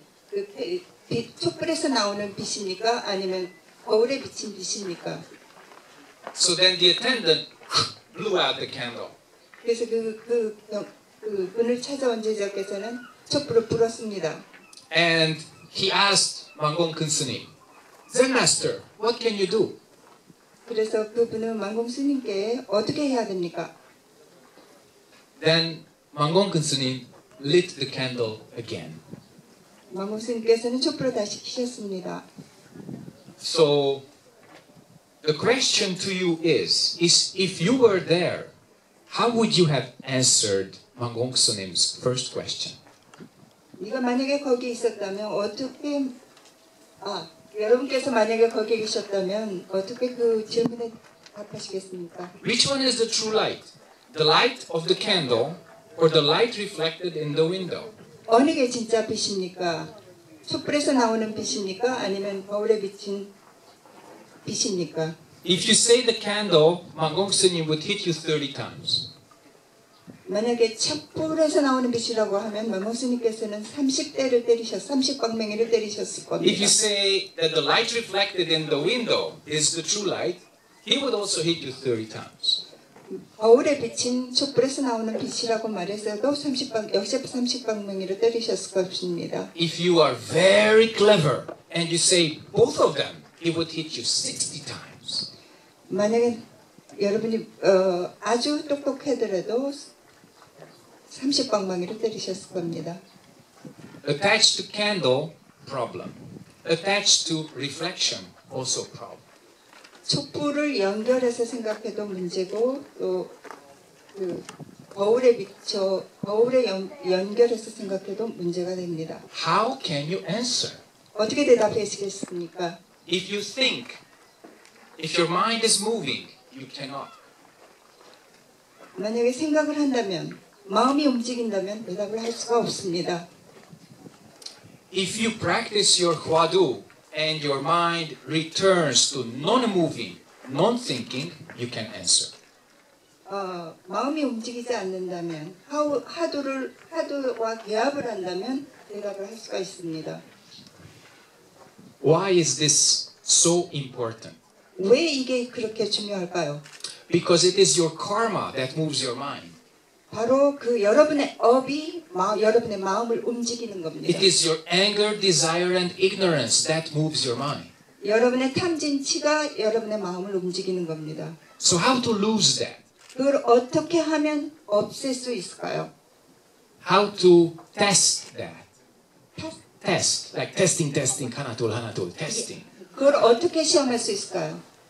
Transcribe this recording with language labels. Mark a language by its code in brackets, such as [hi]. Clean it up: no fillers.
[ko] 그 촛불에서 나오는 빛입니까? 아니면 거울에 비친 빛입니까? [en] So then the attendant blew out the candle. [ko] 그래서 그 문을 찾아온 제자께서는 촛불을 불었습니다. [en] And he asked 만공 큰스님, Zen Master, what can you do? [ko] 그래서 그분은 만공 스님께 어떻게 해야 됩니까? [en] Then 만공 큰스님 lit the candle again. [ko] 만공 스님께서는 촛불을 다시 켜셨습니다. [en] So the question to you is if you were there, how would you have answered Hwang Gongsu-nim's first question? [ko] 네가 만약에 거기 있었다면 어떻게 아 여러분께서 만약에 거기 계셨다면 어떻게 그 질문에 답하시겠습니까? [en] Which one is the true light? The light of the candle or the light reflected in the window? [ko] 어느 게 진짜 빛입니까? 촛불에서 나오는 빛입니까? 아니면 거울에 비친 빛입니까? [en] If you say the candle, Hwang Gongsu-nim would hit you 30 times. [ko] 만약에 촛불에서 나오는 빛이라고 하면 Hwang Gongsu-nim께서는 30광맹이를 때리셨을 겁니다. [en] If you say that the light reflected in the window is the true light, he would also hit you 30 times. [ko] 거울에 비친 촛불에서 나오는 빛이라고 말했어도 역시 30광맹이를 때리셨을 것입니다. [en] If you are very clever and you say both of them, he would hit you 60 times. [ko] 만약에 여러분이 아주 똑똑해더라도 30광맹이를 때리셨을 겁니다. [en] Attached to candle, problem. Attached to reflection, also problem. [ko] 촛불을 연결해서 생각해도 문제고 또 그 거울에 비춰 거울에 연결해서 생각해도 문제가 됩니다. [en] How can you answer? [ko] 어떻게 대답하시겠습니까? [en] If you think, if your mind is moving, you cannot. [ko] 만약에 생각을 한다면 마음이 움직인다면 대답을 할 수가 없습니다. [en] If you practice your Hwadu and your mind returns to non-moving, non-thinking, you can answer. [ko] 마음이 움직이지 않는다면, 하두와 개합을 한다면 대답을 할 수가 있습니다. [en] Why is this so important? [ko] 왜 이게 그렇게 중요할까요? [en] Because it is your karma that moves your mind. [ko] 바로 그 여러분의 업이 여러분의 마음을 움직이는 겁니다. [en] It is your anger, desire, and ignorance that moves your mind. [ko] 여러분의 탐진치가 여러분의 마음을 움직이는 겁니다. [en] So how to lose that? [ko] 그걸 어떻게 하면 없앨 수 있을까요? [en] How to test that? Test, like testing, [ko] 하나 둘, [en] testing. [ko] 그걸 어떻게 시험할 수 있을까요?